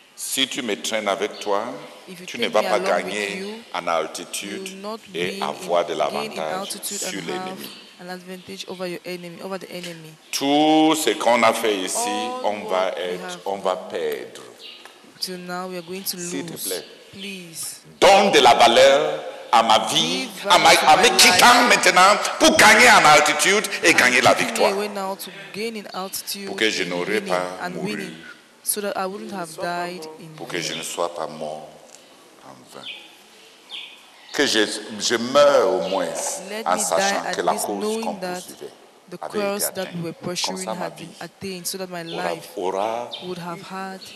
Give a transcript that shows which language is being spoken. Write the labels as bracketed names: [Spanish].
[French] Si tu me traînes avec toi, tu ne vas pas gagner en altitude et avoir de l'avantage sur l'ennemi. [English] An advantage over your enemy, over the enemy. [French] Tout ce qu'on a fait ici, on va perdre. [English] Till now we are going to lose. [French] S'il te plaît. [English] Please. [French] Donne de la valeur à ma vie, à mes quittants maintenant, pour gagner en altitude et gagner la victoire. Pour que je n'aurai pas mouru. [English] So that I wouldn't have died in [French] pour que je ne sois pas mort en vain. Que je meure au moins en sachant que la course qu'on poursuivait avait été atteinte. [English] Had been attained, so that my life would have had